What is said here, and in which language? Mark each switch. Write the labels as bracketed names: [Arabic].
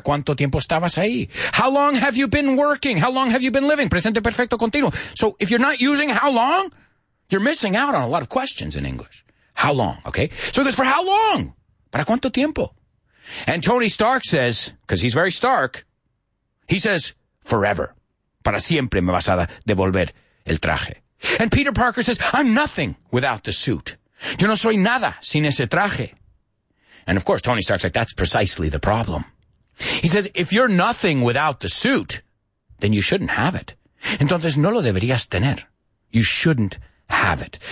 [Spanish] ¿Cuánto tiempo estabas ahí? [English] How long have you been working? How long have you been living? [Spanish] Presente perfecto continuo. [English] So if you're not using how long, you're missing out on a lot of questions in English. How long, okay? So he goes, for how long? [Spanish] ¿Para cuánto tiempo? [English] And Tony Stark says, because he's very Stark, he says, forever. [Spanish] Para siempre me vas a devolver el traje. [English] And Peter Parker says, I'm nothing without the suit. [Spanish] Yo no soy nada sin ese traje. [English] And of course, Tony Stark's like, that's precisely the problem. He says, if you're nothing without the suit, then you shouldn't have it. [Spanish] Entonces, no lo deberías tener. [English] You shouldn't have it.